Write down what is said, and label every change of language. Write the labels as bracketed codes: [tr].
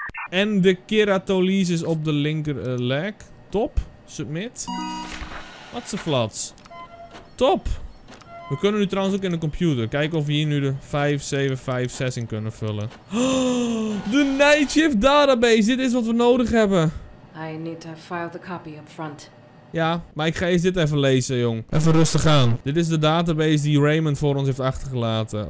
[nl] En de keratolysis op de linker leg. Top. Submit. Wat ze flats. Top. We kunnen nu trouwens ook in de computer. Kijken of we hier nu de 5756 in kunnen vullen. Oh, de Night Shift database. Dit is wat we nodig hebben. [en] I need to file the copy up front. [nl] Ja, maar ik ga eens dit even lezen, jong. Even rustig aan. Dit is de database die Raymond voor ons heeft achtergelaten.